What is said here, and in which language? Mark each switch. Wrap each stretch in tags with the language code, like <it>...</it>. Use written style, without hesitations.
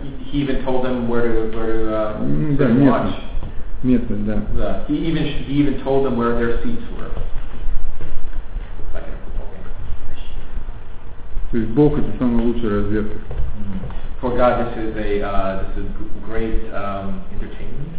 <en>He even told them where to watch. He even told them where their seats were.</en> <ru>То есть Бог — это самая лучшая разведка.</ru> <en>For God, this is a great entertainment.</en>